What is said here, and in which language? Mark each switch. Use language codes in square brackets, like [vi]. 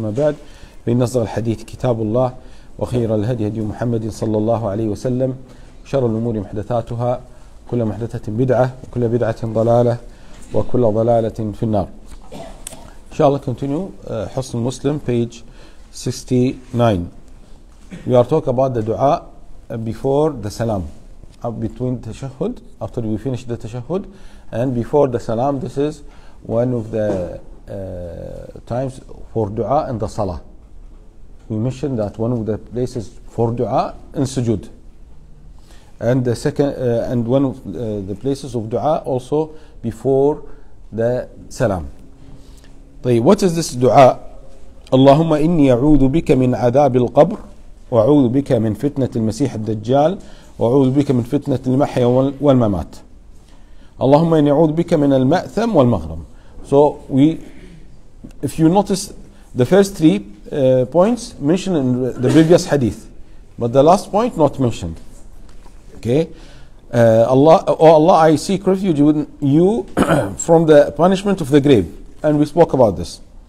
[ar] ما بعد، فإن أصدق الحديث كتاب الله وخير الهدي هدي محمد صلى الله عليه وسلم، شر الأمور محدثاتها، كل محدثة بدعة وكل بدعة ضلالة وكل ضلالة في النار. إن شاء الله [en] continue. [ar] حسن المسلم [en] page 69. We are talking about the dua before the salam, between the tashahhud, after we finish the tashahhud and before the salam. This is one of the times for dua in the salah. We mentioned that one of the places for dua in sujood, and the second and one of the places of dua also before the salam. طيب, what is this dua? [ar] اللهم إني أعوذ بك من عذاب القبر, وأعوذ بك من فتنة المسيح الدجال, وأعوذ بك من فتنة المحيا والممات. اللهم إني أعوذ بك من المأثم والمغرم. [en] So we, if you notice the first three points mentioned in the previous hadith, but the last point not mentioned. Okay, Allah, I seek refuge with you from the punishment of the grave, and we spoke about this.